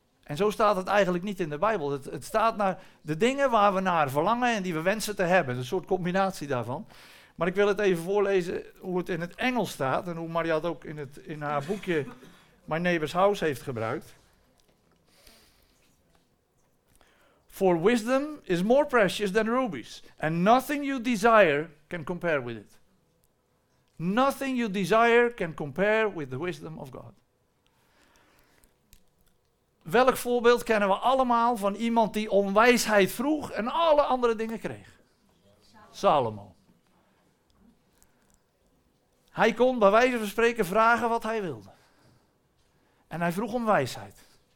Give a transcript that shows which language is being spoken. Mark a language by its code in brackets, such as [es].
[nl] En zo staat het eigenlijk niet in de Bijbel. Het staat naar de dingen waar we naar verlangen en die we wensen te hebben. Een soort combinatie daarvan. Maar ik wil het even voorlezen hoe het in het Engels staat. En hoe Maria het ook in haar boekje My Neighbor's House heeft gebruikt. [en] For wisdom is more precious than rubies. And nothing you desire can compare with it. Nothing you desire can compare with the wisdom of God. [nl] Welk voorbeeld kennen we allemaal van iemand die om wijsheid vroeg en alle andere dingen kreeg? Salomo. Hij kon bij wijze van spreken vragen wat hij wilde. En hij vroeg om wijsheid.